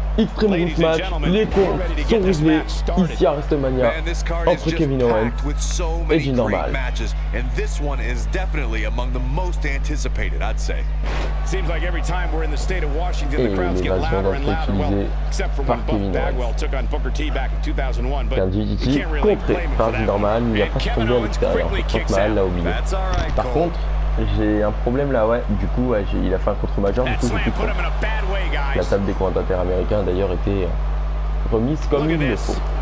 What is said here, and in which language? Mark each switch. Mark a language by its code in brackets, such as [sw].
[fr] Extreme Rules Match, les comptes sont réglés ici à WrestleMania entre Kevin Owens et Jinder Mahal. [en] And this one is definitely among the most anticipated, I'd say. Seems like every time we're in the state of Washington, the crowds get louder and louder. Well, except for when Buff Bagwell took on Booker T back in 2001, but you can't really blame him for that. And Kevin Owens frequently kicks out. That's all right, [fr] par contre, j'ai un problème là, ouais. Du coup, ouais, il a fait un contre-major. Du coup, j'ai plus de. La table des commentateurs américains a d'ailleurs été remise comme il le faut.